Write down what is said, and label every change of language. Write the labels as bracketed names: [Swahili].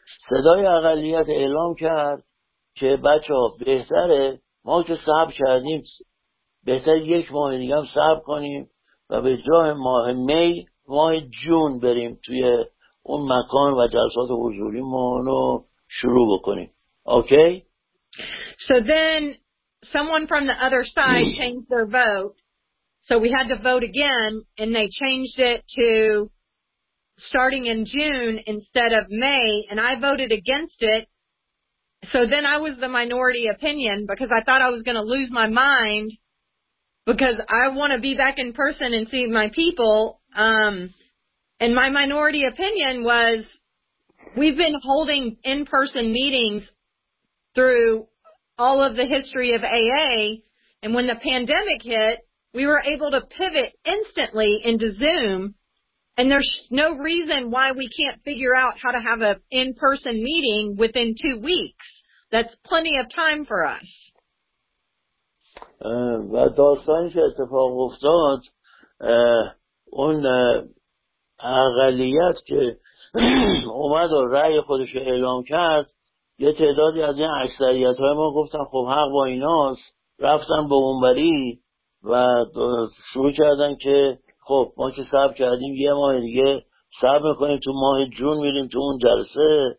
[Persian] صدای اقلیت اعلام کرد که بچه ها بهتره ما که صبر کردیم، بهتر یک ماه دیگه هم صبر کنیم و به جای ماه می ماه جون بریم توی اون مکان و جلسات حضوری ما رو شروع بکنیم. اوکی؟ [English] So then someone from the other side changed their vote. So we had to vote again and they changed it to starting in June instead of May, and I voted against it. So then I was the minority opinion because I thought I was going to lose my mind because I want to be back in person and see my people. And my minority opinion was we've been holding in-person meetings through all of the history of AA, and when the pandemic hit, we were able to pivot instantly into Zoom, and there's no reason why we can't figure out how to have an in-person meeting within 2 weeks. That's plenty of time for us. [Persian] و داستانی که اتفاق افتاد اون اقلیت که اومد و رأی خودش رو اعلام کرد، یه تعدادی از این اکثریت های ما گفتن خب حق با ایناست، رفتن به اونوری و شروع کردن که خب ما که صبر کردیم یه ماه دیگه صبر میکنیم، تو ماه جون میریم تو اون جلسه.